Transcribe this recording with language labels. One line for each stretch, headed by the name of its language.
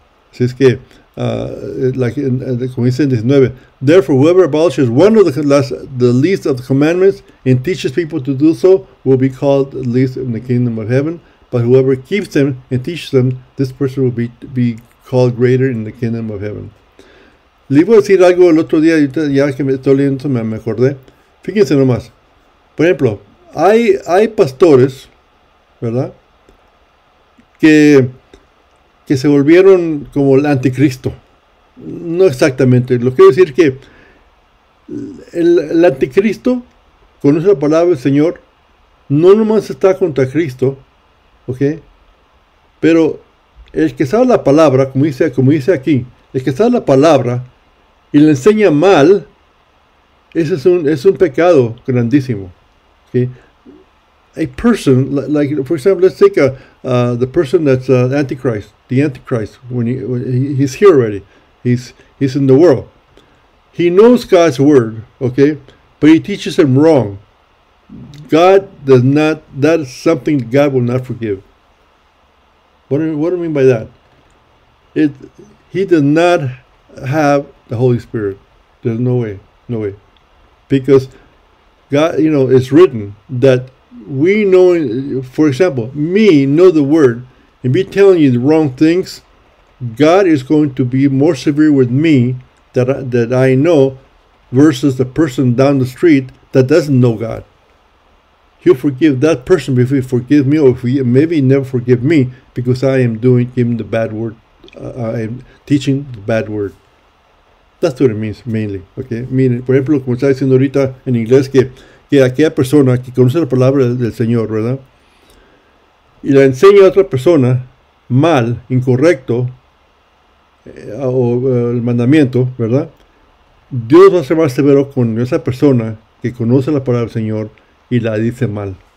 Spanish: Si es que,
English: like
Spanish: como dice en 19,
English: therefore, whoever abolishes one of the least of the commandments and teaches people to do so will be called least in the kingdom of heaven. But whoever keeps them and teaches them, this person will be called greater in the kingdom of heaven.
Spanish: Le iba a decir algo el otro día, ya que me estoy leyendo, me acordé. Fíjense nomás. Por ejemplo, hay pastores, ¿verdad? Que se volvieron como el anticristo. No exactamente. Lo quiero decir que el anticristo, con esa palabra del Señor, no nomás está contra Cristo, ¿ok? Pero el que sabe la palabra, como dice aquí, el que sabe la palabra y le enseña mal, ese es un pecado grandísimo. ¿Okay?
English: A person, like for example, let's take the person that's Antichrist, the Antichrist, when he's here already, he's in the world. He knows God's word, okay, but he teaches him wrong. God does not, that is something God will not forgive. What do I mean by that? He does not have the Holy Spirit. There's no way. Because God, you know, it's written that we know, for example, me know the word and be telling you the wrong things, God is going to be more severe with me that I know versus the person down the street that doesn't know God. He'll forgive that person if he forgives me, or if he maybe never forgive me because I am doing him the bad word. I am teaching the bad word. That's what it means, mainly. Okay? Meaning,
Spanish: por ejemplo, como está diciendo ahorita en inglés, que aquella persona que conoce la palabra del Señor, ¿verdad? Y la enseña a otra persona mal, incorrecto, o el mandamiento, ¿verdad? Dios va a ser más severo con esa persona que conoce la palabra del Señor y la dice mal.